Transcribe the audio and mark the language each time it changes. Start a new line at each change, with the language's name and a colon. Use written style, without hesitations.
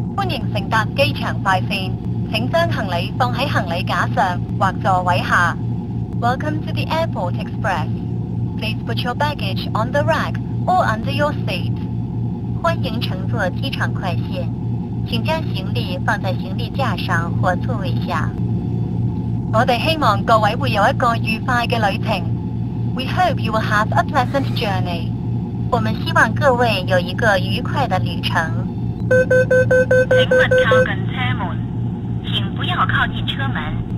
Chinese: 迎乘搭机场快线，请将行李放在行李架上或座位下。
English: Welcome to the Airport Express. Please put your baggage on the rack or under your seat.
Chinese: 欢迎乘坐机场快线，请将行李放在行李架上或座位下。我们希望各位会有一个愉快的旅程。
English: We hope you will have a pleasant journey.
Chinese: 我们希望各位有一个愉快的旅程。请勿靠近车门，请不要靠近车门。